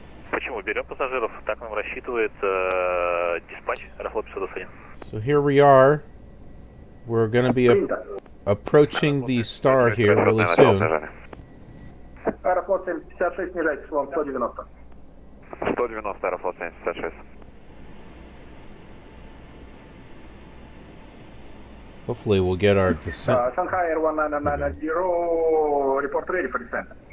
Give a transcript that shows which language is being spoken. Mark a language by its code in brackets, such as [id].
[ru] Почему берем пассажиров? Так нам рассчитывает диспатч Аэрофлот 521. [en] So here we are. We're going to be approaching the star here really soon. [ru] Аэрофлот 756, снижайте эшелон 190. 190, Аэрофлот 756. [en] Hopefully we'll get our descent. Shanghai Air 1990, report ready for descent.